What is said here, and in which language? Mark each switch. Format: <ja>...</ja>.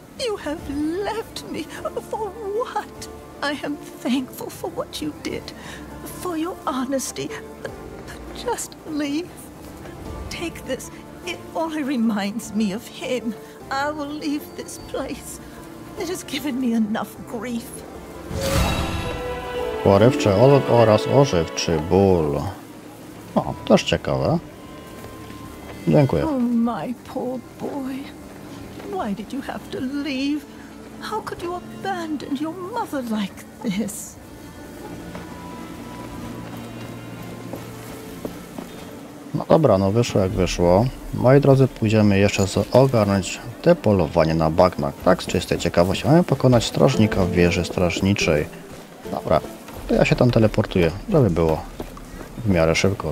<en>You have left me. For what? I am thankful for what you did, for your honesty. Just leave. Take this. It only reminds me of him. I will leave this place. It has given me enough grief.</en> <pl>Porywczy olot oraz ożywczy ból. O, też ciekawe. Dziękuję.</pl> <en>Oh, my poor boy. Why did you have to leave? How could you abandon your mother like this?</en> <pl>No dobra, no wyszło jak wyszło. Moi drodzy, pójdziemy jeszcze ogarnąć te polowanie na bagna. Tak, z czystej ciekawości. Mamy pokonać strażnika w wieży strażniczej. Dobra, to ja się tam teleportuję, żeby było w miarę szybko.</pl>